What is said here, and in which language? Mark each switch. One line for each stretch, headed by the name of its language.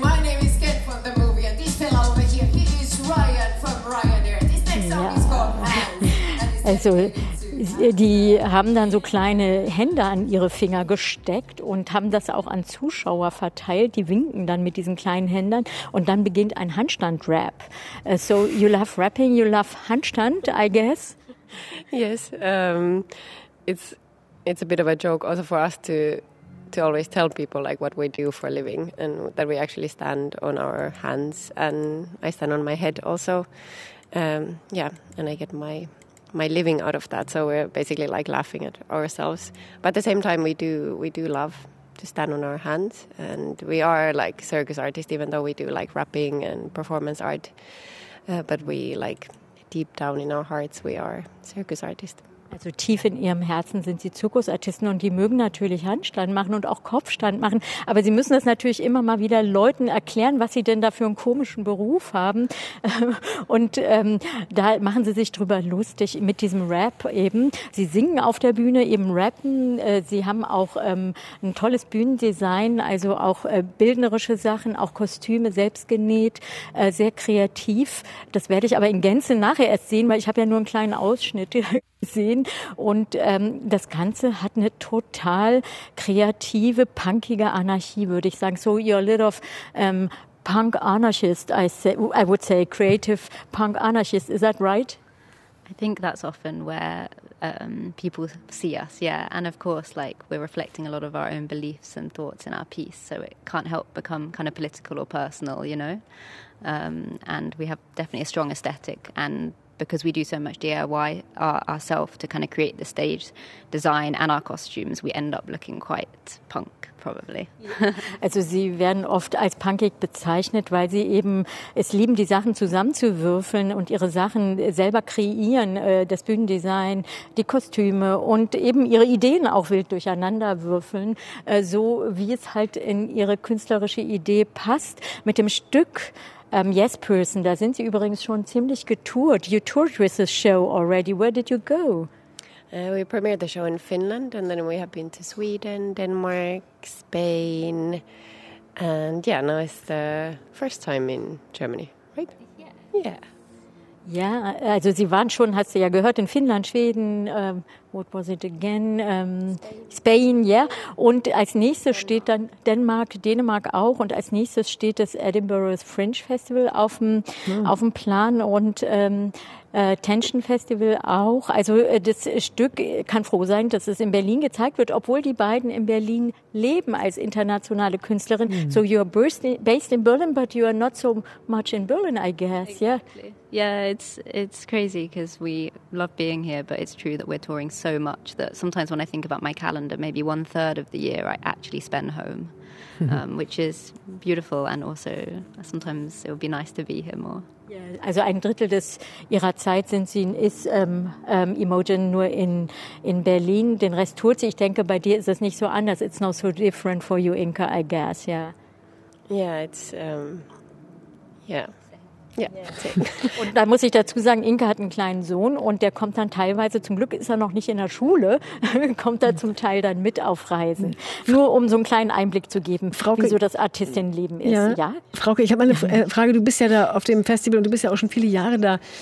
English: My name is Kent from the movie, and this fellow over here, he is Ryan from Ryanair. This next song is called Hands.
German: Die haben dann so kleine Hände an ihre Finger gesteckt und haben das auch an Zuschauer verteilt. Die winken dann mit diesen kleinen Händen und dann beginnt ein Handstand-Rap.
English: So you love rapping, you love Handstand, I guess? Yes, it's a bit of a joke also for us to always tell people like what we do for a living and that we actually stand on our hands and I stand on my head also. And I get my living out of that, so we're basically like laughing at ourselves, but at the same time we do love to stand on our hands, and we are like circus artists even though we do like rapping and performance art, but we like deep down in our hearts we are circus artists.
German: Also tief in ihrem Herzen sind sie Zirkusartisten und die mögen natürlich Handstand machen und auch Kopfstand machen. Aber sie müssen das natürlich immer mal wieder Leuten erklären, was sie denn da für einen komischen Beruf haben. Und da machen sie sich drüber lustig mit diesem Rap eben. Sie singen auf der Bühne, eben rappen. Sie haben auch ein tolles Bühnendesign, also auch bildnerische Sachen, auch Kostüme selbst genäht. Sehr kreativ. Das werde ich aber in Gänze nachher erst sehen, weil ich habe ja nur einen kleinen Ausschnitt gesehen. Und das Ganze hat eine total kreative, punkige Anarchie, würde ich sagen. So you're a little of
English: punk anarchist, I would say creative punk anarchist. Is that right? I think that's often where people see us, yeah. And of course, like, we're reflecting a lot of our own beliefs and thoughts in our piece, so it can't help become kind of political or personal, you know. And we have definitely a strong aesthetic, and because we do so much DIY ourselves to kind of create the stage design and our costumes, we end up looking quite punk, probably.
German: Also Sie werden oft als punkig bezeichnet, weil Sie eben es lieben, die Sachen zusammenzuwürfeln und Ihre Sachen selber kreieren, das Bühnendesign, die Kostüme und eben Ihre Ideen auch wild durcheinander würfeln, so wie es halt in Ihre künstlerische Idee passt. Mit dem Stück Yes Person, da sind Sie übrigens schon ziemlich getourt.
English: You toured with this show already. Where did you go? We premiered the show in Finland, and then we have been to Sweden, Denmark, Spain, and yeah, now it's the first time in Germany, right? Yeah.
German: Ja, also Sie waren schon, hast du ja gehört, in Finnland, Schweden, what was it again? Spain, ja. Yeah. Und als nächstes steht dann Dänemark auch. Und als nächstes steht das Edinburgh Fringe Festival auf dem Plan und Tension Festival auch. Also das Stück kann froh sein, dass es in Berlin gezeigt wird, obwohl die beiden in Berlin leben als internationale Künstlerin. Mm.
English: So you're based in Berlin, but you are not so much in Berlin, I guess. Exactly. Yeah. Yeah, it's crazy because we love being here, but it's true that we're touring so much that sometimes when I think about my calendar, maybe one third of the year I actually spend home, which is beautiful, and also sometimes it would be nice to be here more.
German: Yeah, also ein Drittel des ihrer Zeit sind sie ist Imogen nur in Berlin. Den Rest tut sie. Ich denke, bei dir ist es nicht so anders.
English: It's not so different for you, Inka, I guess. Yeah. Yeah, it's yeah.
German: Ja. Und da muss ich dazu sagen, Inka hat einen kleinen Sohn und der kommt dann teilweise, zum Glück ist er noch nicht in der Schule, kommt da zum Teil dann mit auf Reisen. Nur um so einen kleinen Einblick zu geben, wie so das Artistinnenleben ist. Ja. Frauke, ich habe eine Frage. Du bist ja da auf dem Festival und du bist ja auch schon viele Jahre da.